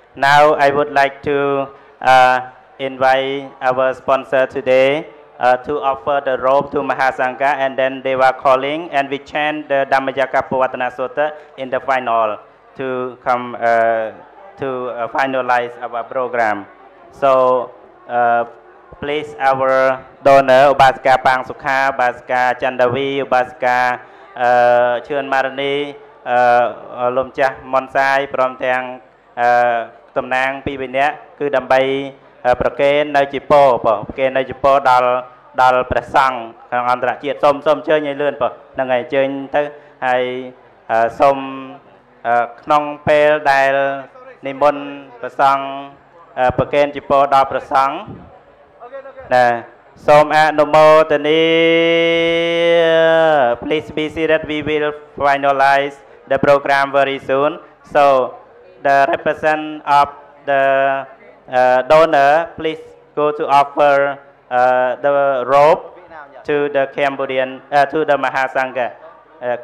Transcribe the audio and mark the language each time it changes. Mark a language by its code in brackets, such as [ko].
[en] Now I would like to invite our sponsor today to offer the robe to Mahasangha, and then they were calling, and we chant the Dhammajaka Puvatana Sutta in the final to come to finalize our program. So please, our donor, Ubasaka Pang Sukha, Ubasaka Chandavi, Ubasaka Chuan Marani, Lomcha Monsai, Promtang Tumnang Pivinya, Kudambai, [km] ប្រគេនជីពោប្រគេនជីពោដល់ដល់ព្រះសង្ឃក្នុងអន្តរជាតិសូមអញ្ជើញលឿនប៉ុណ្ណឹងហើយអញ្ជើញទៅហើយសូម ក្នុងពេលដែលនិមន្តព្រះសង្ឃប្រគេនជីពោដល់ព្រះសង្ឃណាសូមអនុមោទនី [en] Please be seated. We will finalize the program very soon. So the representative of the donor, please go to offer the robe to the Cambodian, to the Mahasangha.